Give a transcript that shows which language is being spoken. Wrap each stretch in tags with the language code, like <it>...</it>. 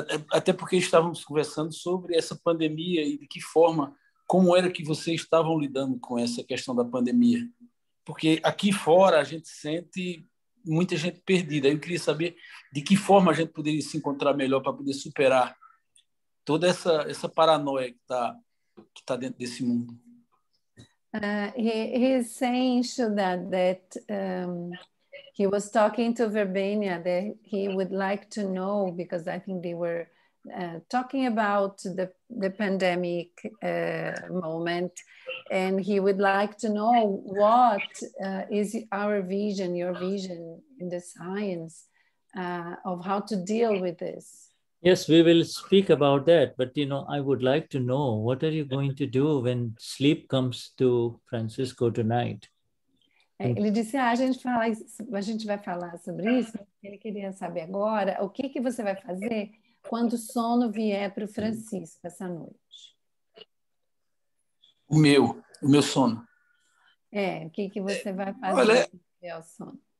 <pt>até porque estávamos conversando sobre essa pandemia e de que forma, como era que vocês estavam lidando com essa questão da pandemia. Porque aqui fora a gente sente muita gente perdida. Eu queria saber de que forma a gente poderia se encontrar melhor para poder superar toda essa paranoia que tá dentro desse mundo.</pt> <en>He's saying, Shuddha, that he was talking to Verbenia that he would like to know, because I think they were talking about the pandemic moment, and he would like to know what is our vision, your vision in the science of how to deal with this. Yes, we will speak about that, but you know, I would like to know, what are you going to do when sleep comes to Francisco tonight?</en> <pt>Ele disse, a gente vai falar sobre isso, ele queria saber agora, o que você vai fazer quando o sono vier para o Francisco essa noite? O meu sono. O que você vai fazer quando vier o sono?</pt>